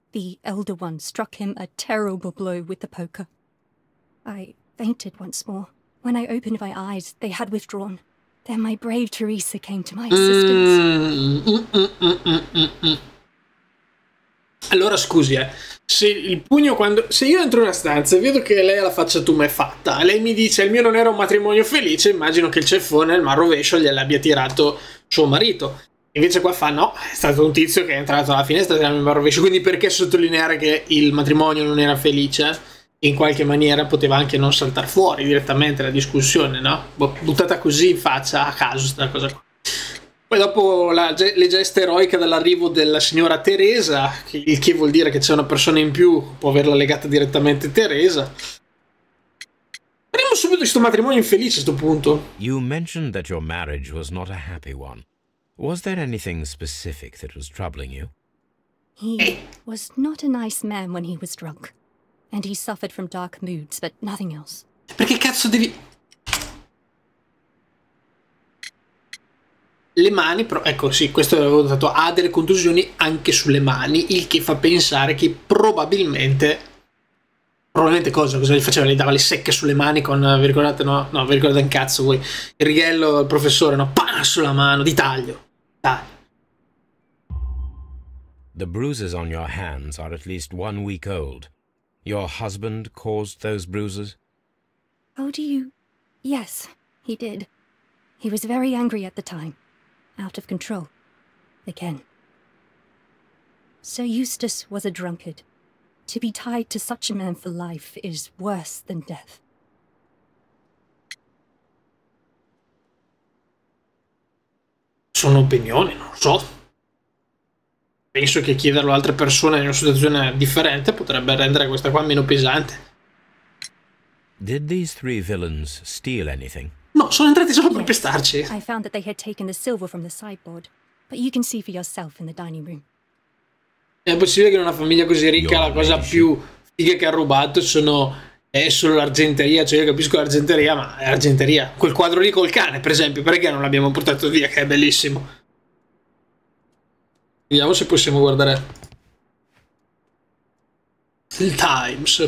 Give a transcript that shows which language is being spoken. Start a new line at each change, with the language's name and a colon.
English: The Elder One struck him a terrible blow with the poker. I fainted once more. When I opened my eyes, they had withdrawn. Then my brave Teresa came to my assistance.
Italian: Allora scusi, se il pugno quando... Se io entro in una stanza e vedo che lei ha la faccia tumefatta, lei mi dice il mio non era un matrimonio felice, immagino che il ceffone, il mal rovescio, gliel'abbia tirato suo marito. Invece qua fa no, è stato un tizio che è entrato alla finestra del mal rovescio, quindi perché sottolineare che il matrimonio non era felice? In qualche maniera poteva anche non saltare fuori direttamente la discussione, no? Buttata così in faccia, a caso, questa cosa qua. Poi dopo le gesta eroica dell'arrivo della signora Teresa, il che vuol dire che c'è una persona in più, può averla legata direttamente Teresa. Parliamo subito di questo matrimonio infelice a questo punto.
English: You mentioned that your marriage was not a happy one. Was there anything specific that was troubling you? He was not a nice man when he was drunk. And he suffered from dark moods, but nothing else.
Italian: Perché cazzo devi... Le mani, però, ecco, sì, questo l'avevo notato, ha delle contusioni anche sulle mani, il che fa pensare che probabilmente cosa gli faceva? Gli dava le secche sulle mani con, vi ricordate, no, vi ricordate un cazzo voi, il righello, il professore, no, pa, sulla mano, di taglio, taglio.
English: The bruises on your hands are at least 1 week old. Your husband caused those bruises? Oh, do you... Yes, he did. He was very angry at the time. Out of control. Again. Sir Eustace was a drunkard. To be tied to such a man for life is worse than death.
Italian: Sono opinioni, non so. Penso che chiederlo a altre persone in una situazione differente potrebbe rendere questa qua meno pesante.
English: Did these three villains steal anything?
Italian: No, sono entrati solo per pestarci.
English: I found that they had taken the silver from the sideboard, but you can see for yourself in the dining room.
Italian: È possibile che in una famiglia così ricca la cosa più figa che ha rubato è solo l'argenteria? Cioè io capisco l'argenteria, ma è argenteria. Quel quadro lì col cane, per esempio, perché non l'abbiamo portato via, che è bellissimo. Vediamo se possiamo guardare il Times.